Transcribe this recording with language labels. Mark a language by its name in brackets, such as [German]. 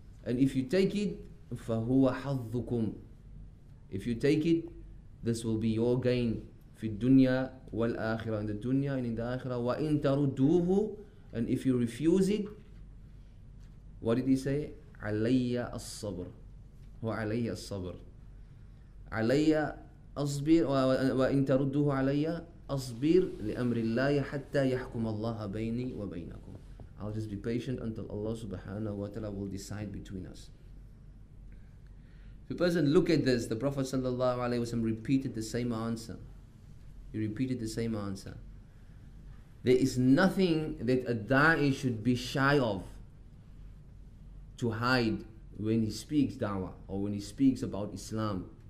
[English] And if you take it, [Arabic] فَهُوَ حَظُّكُمْ. [English] If you take it, this will be your gain. [Arabic] فِي الدُّنْيَا وَالْآخِرَةِ. [English] In the dunya and in the akhirah. [Arabic] وَإِن تَرُدُّوهُ. [English] And if you refuse it, what did he say? [Arabic] عَلَيَّ الصَّبْرُ. وعلي الصبر علي أصبر وإن ترده علي أصبر لأمر الله حتى يحكم الله بيني وبينكم. [English] I'll just be patient until Allah subhanahu wa ta'ala will decide between us. If a person look at this, the Prophet sallallahu alayhi wa sallam repeated the same answer. He repeated the same answer. There is nothing that a da'i should be shy of to hide when he speaks da'wah or when he speaks about Islam.